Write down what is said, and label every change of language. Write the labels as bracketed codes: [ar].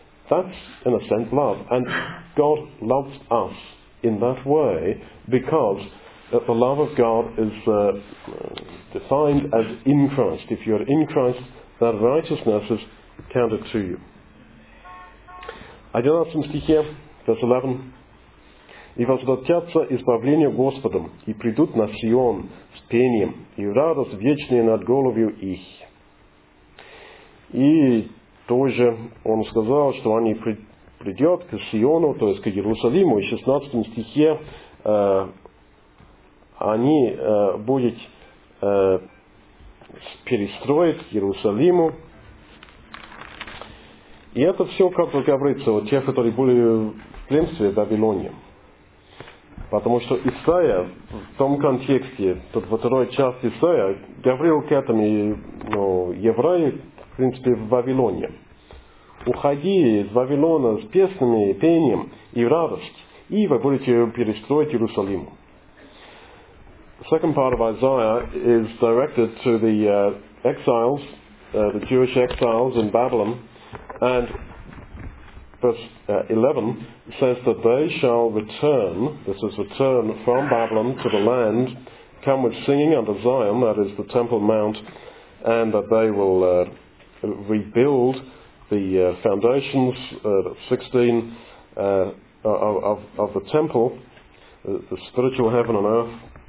[en] That's, in a sense, love. And God loves us in that way because the love of God is defined as in Christ. If you're in Christ, that righteousness is counted to you. [ru] 11 стихе, [en] verse 11. [ru] «И возвратятся избавления Господом, и придут на Сион с пением, и радость вечная над головью их». И тоже он сказал, что они придет к Сиону, то есть к Иерусалиму, и в 16 стихе они будут перестроить Иерусалиму. И это все, как говорится, у тех, которые были в пленстве в Вавилоне. Потому что Исаия в том контексте, тут во второй части Исаия, говорил к этому, ну, евреи, в принципе, в Вавилоне. «Уходи из Вавилона с песнями, пением и радостью, и вы будете перестроить Иерусалим». [en] Second part of Isaiah is directed to the exiles, the Jewish exiles in Babylon. And verse 11 says that they shall return, this is return from Babylon to the land, come with singing unto Zion, that is the Temple Mount, and that they will rebuild the foundations, 16, of the temple, the spiritual heaven and earth.